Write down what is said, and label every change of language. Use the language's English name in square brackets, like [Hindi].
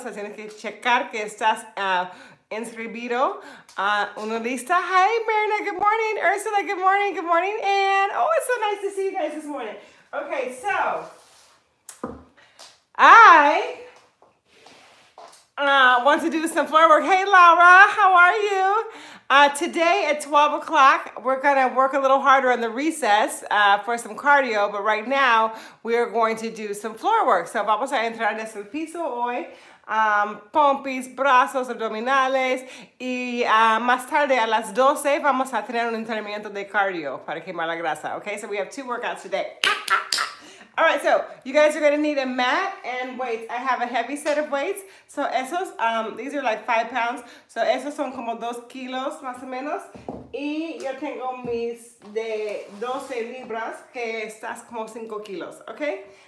[Spanish] So tienes que checar que estás inscribido una lista. [English] Hi, Marina. Good morning, Ursula. Good morning. Good morning, Anne. Oh, it's so nice to see you guys this morning. Okay, so I want to do some floor work. Hey, Laura, how are you? Today at 12 o'clock, we're going to work a little harder on the recess for some cardio, but right now we are going to do some floor work. [Spanish] So vamos a entrar en el piso hoy. Pompis, brazos, abdominales, y más tarde a las 12 vamos a tener un entrenamiento de cardio para quemar la grasa. [English] Okay, so we have two workouts today. All right, so you guys are gonna need a mat and weights. I have a heavy set of weights. So esos, these are like 5 pounds. [Spanish] So esos son como 2 kilos, más o menos. Y yo tengo mis de 12 libras, que estás como 5 kilos, okay?